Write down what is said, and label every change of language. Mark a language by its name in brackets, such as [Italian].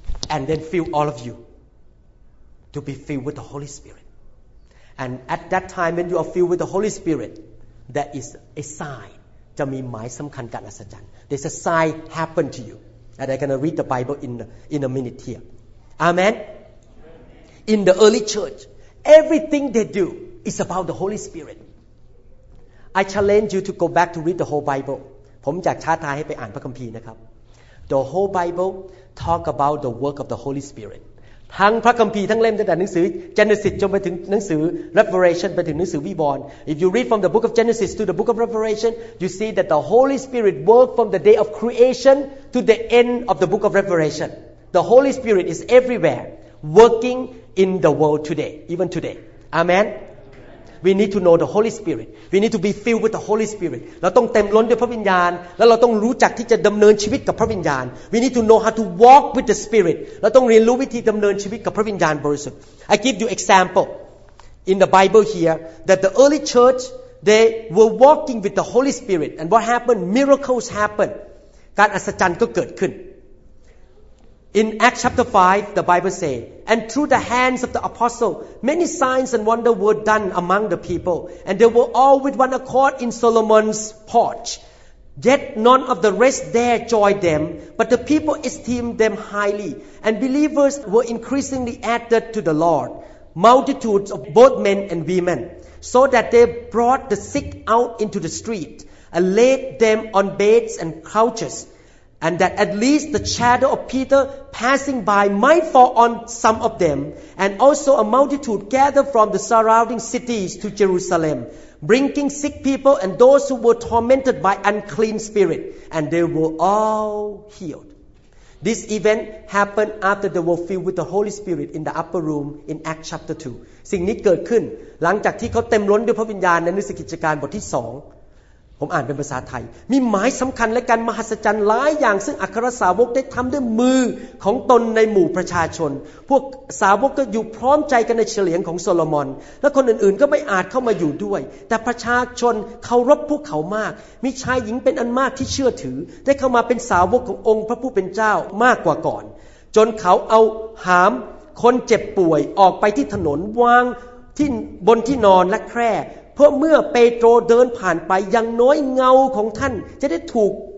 [English] And then fill all of you to be filled with the Holy Spirit. And at that time when you are filled with the Holy Spirit, there is a sign. [Thai] จะมีหมายสำคัญกับอัศจรรย์ [English] There's a sign happen to you. And I'm going to read the Bible in a minute here. Amen. In the early church, everything they do is about the Holy Spirit. I challenge you to go back to read the whole Bible. [Thai] ผมอยากท้าทายให้ไปอ่านพระคัมภีร์นะครับ [English] The whole Bible talk about the work of the Holy Spirit [Thai] ทั้งพระคัมภีร์ทั้งเล่มตั้งแต่หนังสือ Genesis จนไปถึงหนังสือ Revelation ไปถึงหนังสือวิบวรณ์ [English] If you read from the book of Genesis to the book of Revelation you see that the Holy Spirit work from the day of creation to the end of the book of Revelation The Holy Spirit is everywhere working in the world today even today AmenWe need to know the Holy Spirit. We need to be filled with the Holy Spirit. [Thai] เราต้องเต็มล้นด้วยพระวิญญาณแล้วเราต้องรู้จักที่จะดำเนินชีวิตกับพระวิญญาณ [English] We need to know how to walk with the Spirit. [Thai] เราต้องเรียนรู้วิธีดำเนินชีวิตกับพระวิญญาณบริสุทธิ์ [English] I give you example in the Bible here that the early church they were walking with the Holy Spirit and what happened? Miracles happened. [Thai] การอัศจรรย์ก็เกิดขึ้น [English] In Acts chapter 5 the Bible says,And through the hands of the apostle, many signs and wonders were done among the people. And they were all with one accord in Solomon's porch. Yet none of the rest there joined them, but the people esteemed them highly. And believers were increasingly added to the Lord, multitudes of both men and women, so that they brought the sick out into the street and laid them on beds and couches. And that at least the shadow of Peter passing by might fall on some of them, and also a multitude gathered from the surrounding cities to Jerusalem, bringing sick people and those who were tormented by unclean spirit, and they were all healed. This event happened after they were filled with the Holy Spirit in the upper room in Acts chapter 2. [Thai] สิ่งนี้เกิดขึ้นหลังจากที่เขาเต็มล้นด้วยพระวิญญาณในหนังสือกิจการบทที่สองผมอ่านเป็นภาษาไทยมีหมายสำคัญและการมหัศจรรย์หลายอย่างซึ่งอัครสาวกได้ทำด้วยมือ ของตนในหมู่ประชาชนพวกสาวกก็อยู่พร้อมใจกันในเฉลียงของโซโลมอนและคนอื่นๆก็ไม่อาจเข้ามาอยู่ด้วยแต่ประชาชนเคารพพวกเขามากมีชายหญิงเป็นอันมากที่เชื่อถือได้เข้ามาเป็นสาวกขององค์พระผู้เป็นเจ้ามากกว่าก่อนจนเขาเอาหามคนเจ็บป่วยออกไปที่ถนนวางที่บนที่นอนและแคร่เพราะเมื่อเปโตรเดินผ่านไปอย่างน้อยเงาของท่านจะได้ถูก